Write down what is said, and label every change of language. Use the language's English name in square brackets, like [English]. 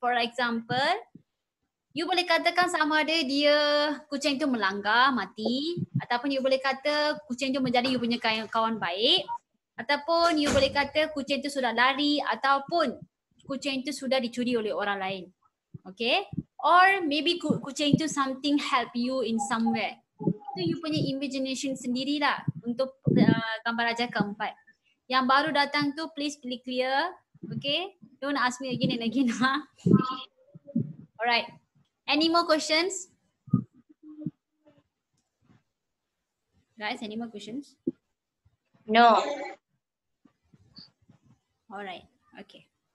[Malay] For example, you boleh katakan sama ada dia kucing tu melanggar mati, ataupun you boleh kata kucing tu menjadi you punya kawan baik, ataupun you boleh kata kucing tu sudah lari, ataupun kucing tu sudah dicuri oleh orang lain. Okay? [English] Or maybe [Malay] kucing tu [English] something help you in somewhere. [Malay] Itu you punya imagination sendirilah untuk gambar Raja keempat. Yang baru datang tu [English] please be clear. Okay? Don't ask me again and again. Huh? Alright. Any more questions? Guys, any more questions? No. Alright, okay.